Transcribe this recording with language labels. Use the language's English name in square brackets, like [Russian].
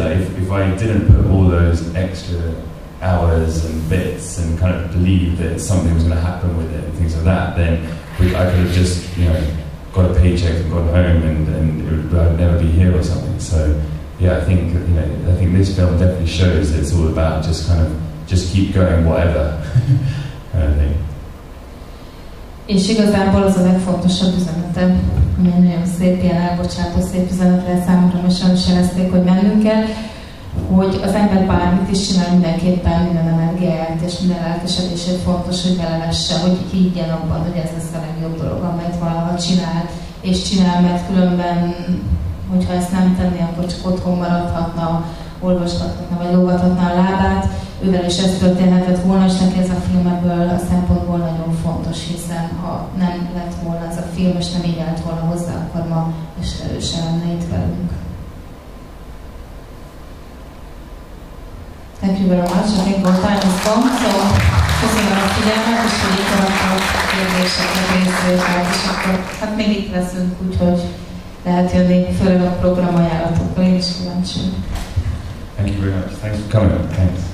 [English] Like, if I didn't put all those extra hours and bits and kind of believe that something was going to happen with it and things like that, then I could have just, you know, got a paycheck and gone home and it would, I'd never be here or something. So. Yeah, I think, you know, I think this film definitely shows that it's all about just kind of just keep going, whatever. kind of thing. [Hungarian] És igazából az a legfontosabb üzenetem, ami nagyon szép, ilyen elbocsátó szép üzenet lesz számomra, most sem jelezték, hogy mennünk kell, hogy az ember bármit is csinál, mindenképpen minden energiáját és minden lelkesedését fontos, hogy bele lesse, hogy higgyen abban, hogy ez lesz a legjobb dolog, amit valaha csinál, és csinál, mert különben hogyha ezt nem tenné, akkor csak otthon maradhatna, olvashatna, vagy lógathatna a lábát. Ővel is ez történhetett volna, és neki ez a film ebből a szempontból nagyon fontos, hiszen ha nem lett volna ez a film, és nem így állt volna hozzá, akkor ma is erősen lenne itt velünk. [English] Thank you very much. I think our time is gone. [Hungarian] So, köszönöm a figyelmet, és hogy itt vannak a kérdéseket, részvételt, és akkor hát még itt leszünk, úgyhogy lehet jönni, főleg a program ajánlatokkal, én is kíváncsi. [English] Thank you very much. Thanks for coming. Thanks.